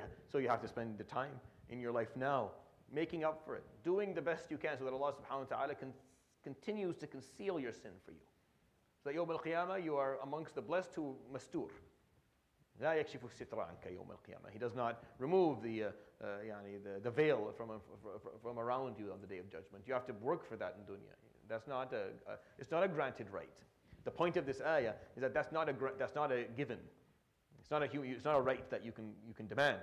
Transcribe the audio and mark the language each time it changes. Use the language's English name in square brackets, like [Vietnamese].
[English] So you have to spend the time in your life now making up for it, doing the best you can, so that Allah Subhanahu wa Taala continues to conceal your sin for you. So that Yawm Al Qiyamah, you are amongst the blessed who mastur. [Arabic] لا يكشف الستر عنك يوم القيامة. [English] He does not remove the veil from around you on the Day of Judgment. You have to work for that in dunya. That's not it's not a granted right. The point of this ayah is that that's not a given. It's not a right that you can demand.